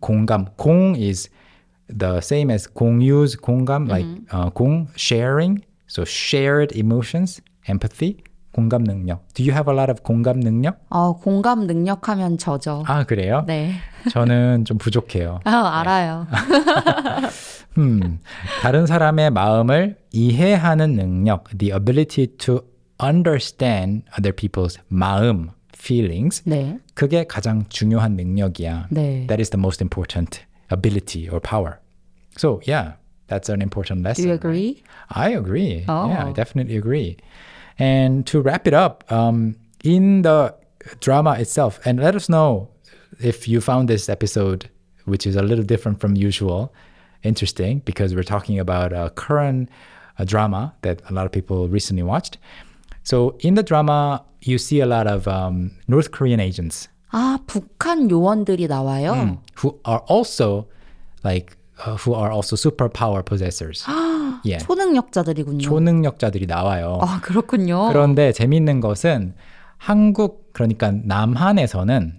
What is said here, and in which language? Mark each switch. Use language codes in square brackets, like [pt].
[ko] 공감. 공 is the same as 공유즈, 공감, mm-hmm. [en] like 공, sharing. So shared emotions, empathy, [ko] 공감 능력. [en] Do you have a lot of 공감 능력? [ko] 공감 능력 하면 저죠. 아, 그래요? 네. 저는 좀 부족해요. 알아요. 다른 사람의 마음을 이해하는 능력. [en] The ability to understand other people's 마음, feelings. [ko] 네. 그게 가장 중요한 능력이야. 네. [en] That is the most important ability or power. So, yeah. That's an important lesson. Do you agree? I agree. Oh. Yeah, I definitely agree. And to wrap it up, in the drama itself, and let us know if you found this episode, which is a little different from usual, interesting, because we're talking about a current drama that a lot of people recently watched. So in the drama, you see a lot of North Korean agents. [ko] 아, 북한 요원들이 나와요? [en] Who are also like, who are also superpower possessors. [ko] 예. 초능력자들이군요. 초능력자들이 나와요. 아, 그렇군요. 그런데 재미있는 것은 한국, 그러니까 남한에서는